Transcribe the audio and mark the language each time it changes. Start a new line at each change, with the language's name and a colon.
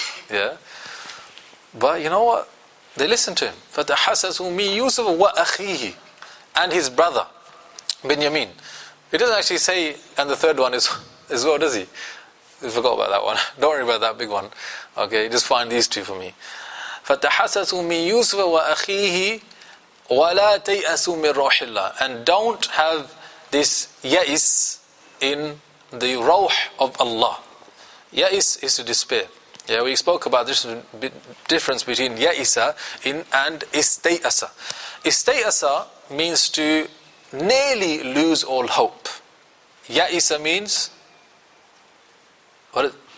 English: Yeah, but you know what? They listen to him.
Arabic: فَتَحَسَسُوا مِي يُوسُفْ وَأَخِيهِ
English: And his brother, Benjamin. He doesn't actually say, and the third one is as well, does he? We forgot about that one. Don't worry about that big one. Okay, just find these two for me.
Arabic: فَتَحَسَسُوا مِي يُوسُفْ وَأَخِيهِ وَلَا تَيْأَسُوا مِن رَوْحِ اللَّهِ
English: And don't have this yais in the rawh of Allah. Ya'is is to despair. Yeah, we spoke about this difference between ya'isa and istay'asa. Istay'asa means to nearly lose all hope. Ya'isa means, what?